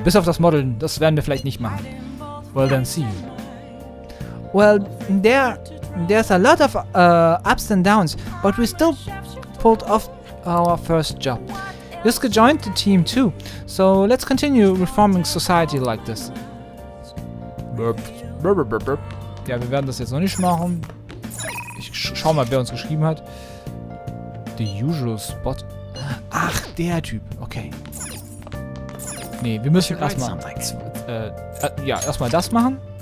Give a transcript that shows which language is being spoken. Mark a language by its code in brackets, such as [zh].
[de] Bis auf das Modeln, das werden wir vielleicht nicht machen. [en] Well then, see you. Well, there's a lot of ups and downs, but we still pulled off our first job. Yusuke joined the team too, so let's continue reforming society like this. Burp. Burp, burp, burp, burp. [de] Ja, wir werden das jetzt noch nicht machen. Ich schau mal, wer uns geschrieben hat. [en] The usual spot. [de] Ach, der Typ. Okay. Nee, wir müssen erstmal. Ja, erstmal das machen.